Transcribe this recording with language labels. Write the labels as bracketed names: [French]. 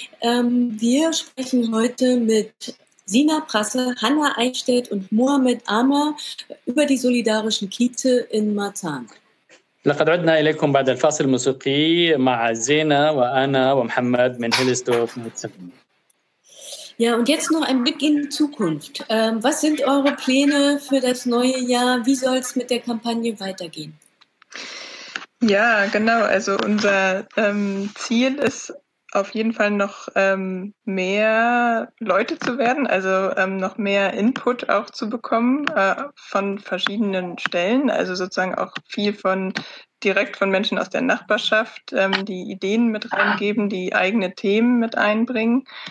[German] Wir sprechen heute mit Sina Prasse, Hanna Eichstädt und Mohamed Amer über die solidarischen Kiezte in Marzahn. [Arabic] لقد عدنا إليكم بعد الفاصل الموسيقي مع زينة وأنا ومحمد من هيلستوف. [German] Ja, und jetzt noch ein Blick in die Zukunft. Was sind eure Pläne für das neue Jahr? Wie soll es mit der Kampagne weitergehen? Ja, genau. Also unser Ziel ist auf jeden Fall noch mehr Leute zu werden, also noch mehr Input auch zu bekommen von verschiedenen Stellen, also sozusagen auch viel von direkt von Menschen aus der Nachbarschaft, die Ideen mit reingeben, die eigene Themen mit einbringen.